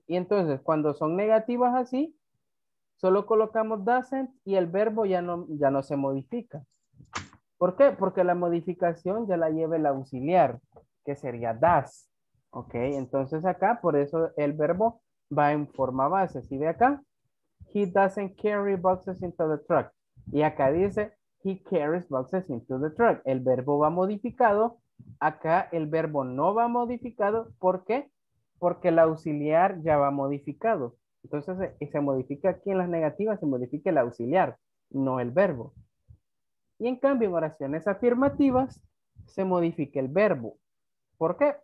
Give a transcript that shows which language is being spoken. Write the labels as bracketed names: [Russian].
[Spanish] Y entonces, cuando son negativas así, solo colocamos doesn't y el verbo ya no se modifica. ¿Por qué? Porque la modificación ya la lleva el auxiliar, que sería does. Ok, entonces acá, por eso el verbo va en forma base. Si ve acá, [English] he doesn't carry boxes into the truck. [Spanish] Y acá dice, [English] he carries boxes into the truck. [Spanish] El verbo va modificado. Acá el verbo no va modificado. ¿Por qué? porque el auxiliar ya va modificado. Entonces, se modifica aquí en las negativas, se modifica el auxiliar, no el verbo. Y en cambio, en oraciones afirmativas, se modifica el verbo. ¿Por qué?